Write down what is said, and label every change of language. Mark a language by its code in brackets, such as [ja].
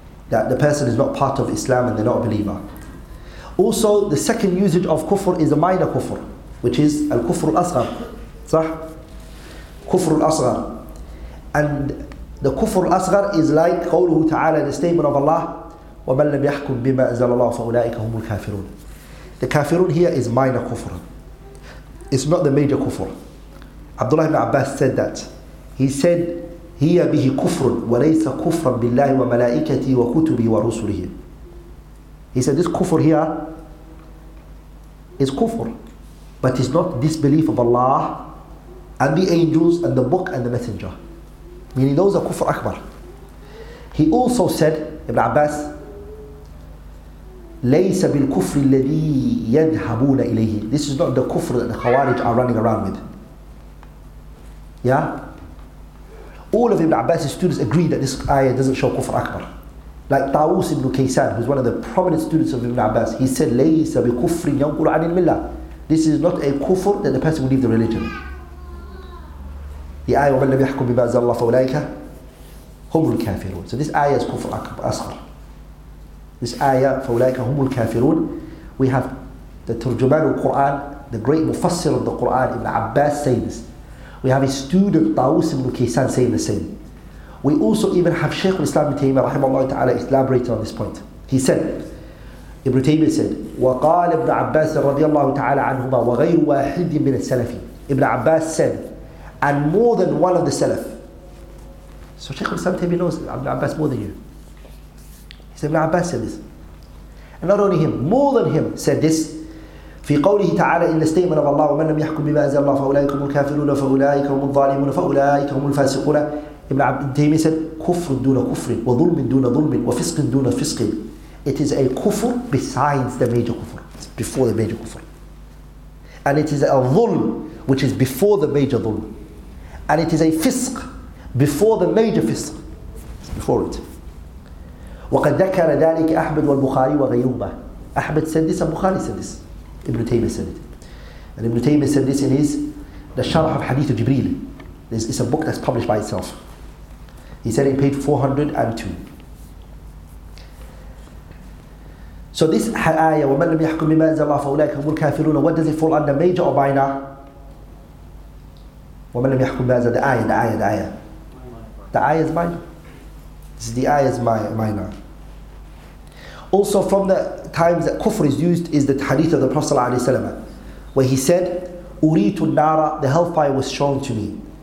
[en] That the person is not part of Islam and they're not a believer. Also, the second usage of kufr is a minor kufr, which is al-kufr al-asghar. Sah? kufr al-asghar. And the kufr al-asghar is like qawluhu ta'ala, the statement of Allah, [ar] وَمَنْ لَمْ يَحْكُمْ بِمَا أَزَلَ اللَّهُ فَأُولَٰئِكَ هُمُ الْكَافِرُونَ. [en] The kafirun here is minor kufr. It's not the major kufr. Abdullah ibn Abbas said that. He said, [ar] هِيَ بِهِ كُفْرٌ وَلَيْسَ كُفْرًا بِاللَّهِ وَمَلَائِكَتِهِ وَكُتُبِهِ وَرُسُلِهِ. [en] He said, this kufr here is kufr, but it's not disbelief of Allah and the angels and the book and the messenger. Meaning those are kufr akbar. He also said, Ibn Abbas, [ar] لَيْسَ بِالْكُفْرِ الَّذِي يَذْهَبُونَ إِلَيْهِ. [en] This is not the kufr that the Khawarij are running around with. Yeah? All of Ibn Abbas' students agree that this ayah doesn't show kufr akbar. Like Tawus ibn Kaysan, who's one of the prominent students of Ibn Abbas, he said, [ar] لَيْسَ بِكُفْرٍ يَنْقُلُ عَنِ الْمِلَّةِ. [en] This is not a kufr that the person will leave the religion. The ayah, [ar] وَمَنْ لَمْ يَحْكُمْ بِمَا أَنْزَلَ اللَّهُ فَأُولَٰئِكَ هُمُ الْكَافِرُونَ. [en] So this ayah is kufr akbar, asghar. This ayah, [ar] فَأُولَٰئِكَ هُمُ الْكَافِرُونَ. [en] We have the Turjuman al-Quran, the great Mufassir of the Quran, Ibn Abbas, saying this. We have a student, Tawus ibn Kaysan, saying the same. We also even have Shaykh al-Islam ibn Taymiyyah, rahimahullah ta'ala, elaborated on this point. He said, Ibn Taymiyyah said, [ar] وَقَالَ ابْنَ عَبَّاسٍ رَضِيَ اللَّهُ تَعَالَى عَنْهُمَا وَغَيْرُ وَاحِدٍ مِنَ السَّلَفِ. [en] Ibn Abbas said, and more than one of the Salaf. So Shaykh al-Islam ibn Taymiyyah knows Ibn Abbas more than you. He said, Ibn Abbas said this. And not only him, more than him said this. [ar] في قوله تعالى إن [en] statement of Allah [ar] ومن لم يحكم بما أنزل الله فأولئك هم الكافرون فأولئك هم الظالمون فأولئك هم الفاسقون. [en] Ibn Taymiyyah said, [ar] كفر دون كفر وظلم دون ظلم وفسق دون فسق. [en] It is a kufr besides the major kufr. It's before the major kufr. And it is a ظلم which is before the major ظلم. And it is a فسق before the major فسق. It's before it. [ar] وقد ذكر ذلك أحمد والبخاري وغيرهما. [en] أحمد said this and Bukhari said this. Ibn Taymiyyah said it. And Ibn Taymiyyah said this in his The Sharh of Hadith of Jibreel. It's a book that's published by itself. He said it in page 402. So this ayah, [ar] وَمَنْ لَمْ يَحْكُمْ بِمَا أَنْزَلَ اللَّهُ فَأُولَٰئِكَ هُمُ الْكَافِرُونَ. [en] What does it fall under, major or minor? [ar] وَمَنْ لَمْ يَحْكُمْ بِمَا أَنْزَلَ. [en] The ayah. The ayah is minor. This is the ayah is minor. Also from the times that kufr is used is the hadith of the Prophet ﷺ, where he said, [ar] أُرِيتُ النَّارَ, [en] the hellfire was shown to me.